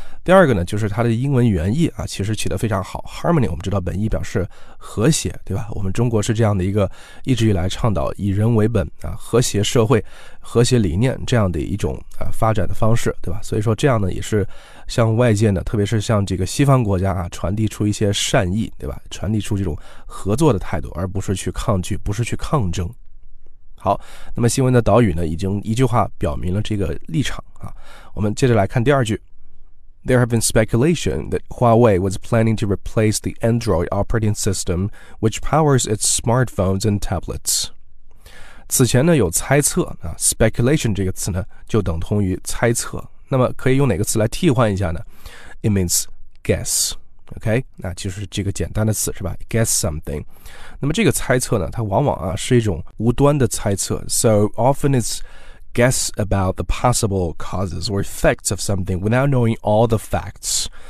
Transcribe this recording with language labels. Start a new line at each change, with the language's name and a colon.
Chinese: 第二个呢就是它的英文原意啊其实起得非常好。Harmony 我们知道本意表示和谐对吧，我们中国是这样的一个一直以来倡导以人为本啊和谐社会和谐理念这样的一种啊发展的方式对吧，所以说这样呢也是向外界呢特别是向这个西方国家啊传递出一些善意对吧，传递出这种合作的态度，而不是去抗拒，不是去抗争。好，那么新闻的导语呢已经一句话表明了这个立场啊，我们接着来看第二句。
English: There have been speculation that Huawei was planning to replace the Android operating system which powers its smartphones and tablets.
Chinese: 此前呢有猜测啊 ，speculation 这个词呢就等同于猜测。那么可以用哪个词来替换一下呢 ？
English: It means guess。
Chinese: OK， 那就是这个简单的词是吧 ？
English: Guess something。
Chinese: 那么这个猜测呢，它往往啊是一种无端的猜测。
English: So often it's guess about the possible causes or effects of something without knowing all the facts。